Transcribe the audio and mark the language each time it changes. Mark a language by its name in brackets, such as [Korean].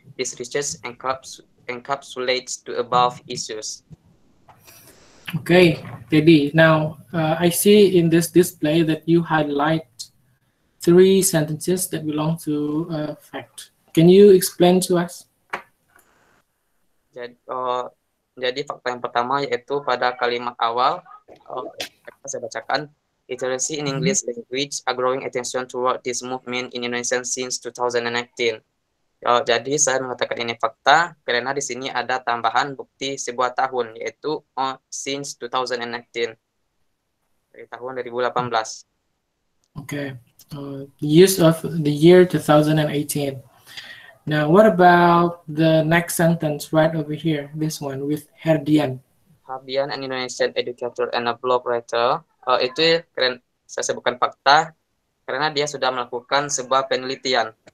[English] This research encapsulates to above issues. Okay, Teddy. Now, I see in this display that you highlight three sentences that belong to fact. Can you explain to us? [Indonesian] Jadi fakta yang pertama yaitu pada kalimat awal, saya bacakan, [English] literacy in English language are growing attention toward this movement in Indonesia since 2018. [Indonesian] Jadi saya mengatakan ini fakta karena di sini ada tambahan bukti sebuah tahun yaitu [English] since 2018. [Indonesian] Dari tahun 2018. [English] Okay. The use of the year 2018. Now, what about the next sentence right over here? This one with Herdian. Herdian, an Indonesian educator and a blog writer. [Indonesian] Itu keren, saya sebutkan fakta karena dia sudah melakukan sebuah penelitian.